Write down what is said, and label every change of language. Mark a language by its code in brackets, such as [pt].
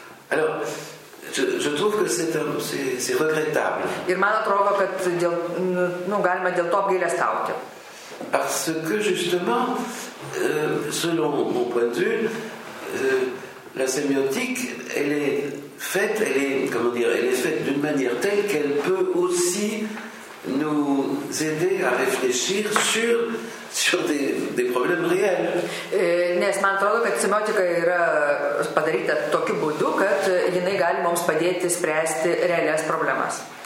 [fr] Alors, je trouve que c'est regrettable. [lt] Ir man atrodo, kad galima dėl to apgailestauti. [fr] Parce que justement, selon mon point de vue, la sémiotique, elle est faite d'une manière telle qu'elle peut aussi nous aider à réfléchir sur des problèmes réels. [lt] Nes man atrodo, kad semiotika yra padaryta tokiu būdu, kad jinai gali mums padėti spręsti realias problemas.